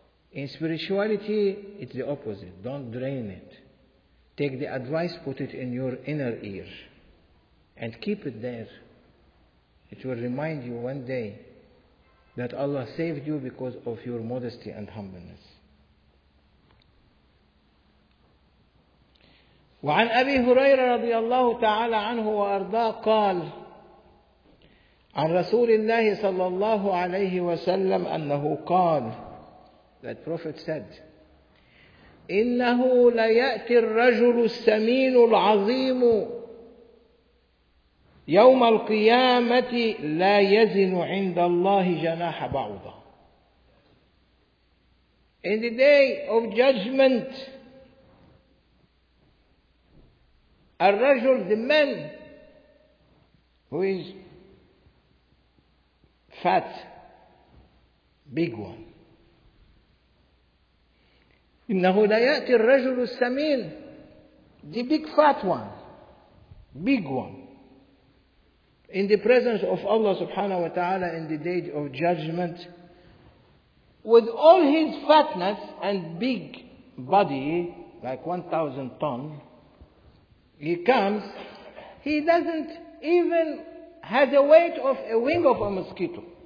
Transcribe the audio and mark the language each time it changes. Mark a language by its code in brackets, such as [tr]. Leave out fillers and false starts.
[en] In spirituality, it's the opposite. Don't drain it. Take the advice, put it in your inner ear. And keep it there. It will remind you one day that Allah saved you because of your modesty and humbleness. [ar] وعن أبي هريرة رضي الله تعالى عنه وأرضاه قال عن رسول الله صلى الله عليه وسلم أنه قال [en] that prophet said [ar] إنه ليأتي الرجل السمين العظيم يوم القيامة لا يزن عند الله جناح بعوضة. [en] In the day of judgment, الرجل, the man who is fat, big one. [ar] إنه لا يأتي الرجل السمين, [en] the big fat one, big one. In the presence of Allah subhanahu wa ta'ala in the day of judgment, with all his fatness and big body, like 1,000 tons, he comes, he doesn't even have the weight of a wing of a mosquito.